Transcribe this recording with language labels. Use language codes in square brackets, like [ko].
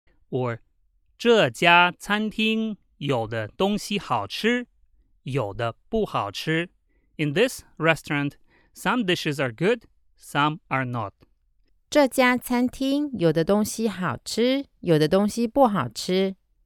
[zh] Or 这家餐厅有的东西好吃. 有的不好吃. [en] In this restaurant, some dishes are good, some are not. [zh] 这家餐厅有的东西好吃,有的东西不好吃.